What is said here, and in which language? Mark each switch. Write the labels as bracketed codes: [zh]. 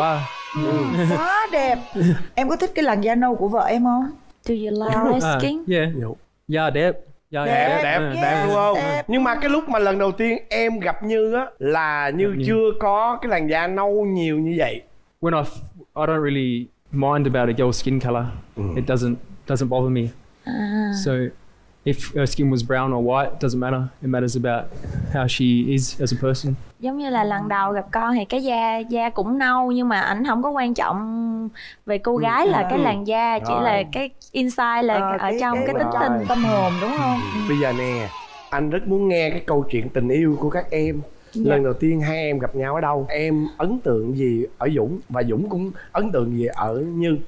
[vi] Quá. Quá đẹp. Em có thích cái làn da nâu của vợ em không? [en] Do you like skin? [vi] Yeah, đẹp. Đẹp đúng không? Đẹp. Nhưng mà cái lúc mà lần đầu tiên em gặp Như á là Như chưa có cái làn da nâu nhiều như vậy. [en] When I don't really mind about a girl's skin color. It doesn't bother me. So if her skin was brown or white, doesn't matter. It matters about how she is as a person. [vi] Giống như là lần đầu gặp con thì cái da cũng nâu nhưng mà ảnh không có quan trọng về cô gái là cái làn da, chỉ là cái inside là ở trong cái tính tình tâm hồn đúng không? Bây giờ nè, anh rất muốn nghe cái câu chuyện tình yêu của các em. Dạ. Lần đầu tiên hai em gặp nhau ở đâu? Em ấn tượng gì ở Dũng và Dũng cũng ấn tượng gì ở Như?